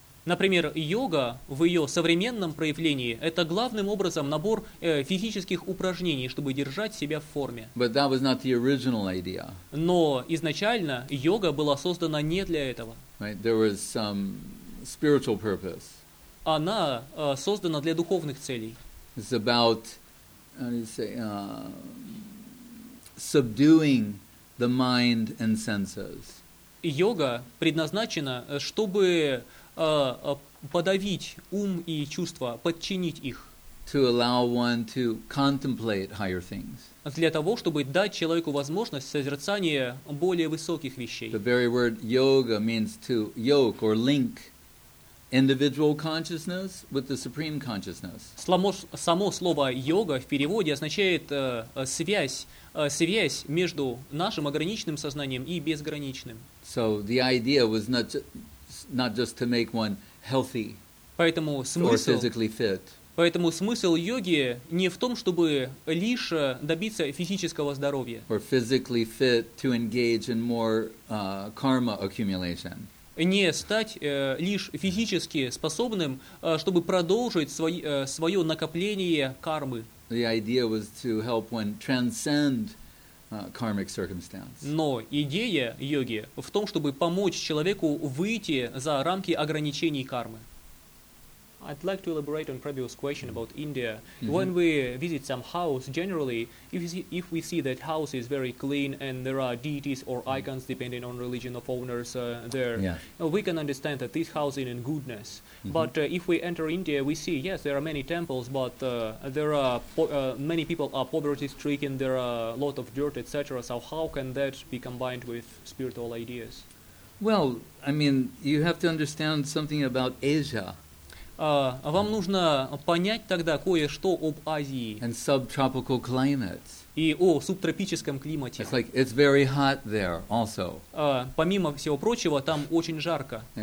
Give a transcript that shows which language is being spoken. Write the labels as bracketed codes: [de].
[ru] Например, йога в ее современном проявлении – это главным образом набор физических упражнений, чтобы держать себя в форме. [en] But that was not the original idea. [ru] Но изначально йога была создана не для этого. [en] Right. There was some spiritual purpose. [ru] Она создана для духовных целей. [en] It's about, how do you say, subduing the mind and senses. [ru] Йога предназначена, чтобы подавить ум и чувства, подчинить их. [en] To allow one to contemplate higher things. [ru] Для того, чтобы дать человеку возможность созерцания более высоких вещей. [en] The very word yoga means to yoke or link individual consciousness with the supreme consciousness. [ru] Само слово йога в переводе означает связь между нашим ограниченным сознанием и безграничным. [en] So the idea was not just to make one healthy or physically fit. [ru] Поэтому смысл йоги не в том, чтобы лишь добиться физического здоровья. [en] Or physically fit to engage in more karma accumulation. [ru] Не стать лишь физически способным, чтобы продолжить свое накопление кармы. [en] The idea was to help one transcend karmic circumstance. [ru] Но идея йоги в том, чтобы помочь человеку выйти за рамки ограничений кармы. [en] I'd like to elaborate on previous question about India. Mm-hmm. When we visit some house, generally, if we see that house is very clean and there are deities or icons depending on religion of owners there, yeah. we can understand that this house is in goodness. Mm-hmm. But if we enter India, we see, yes, there are many temples, but there are many people are poverty-stricken, there are a lot of dirt, etc. So how can that be combined with spiritual ideas? Well, I mean, you have to understand something about Asia. [ru] Вам нужно понять тогда кое-что об Азии [en] and subtropical climates. [ru] И о субтропическом климате. [en] It's like, it's very hot there also. [ru] Помимо всего прочего, там очень жарко.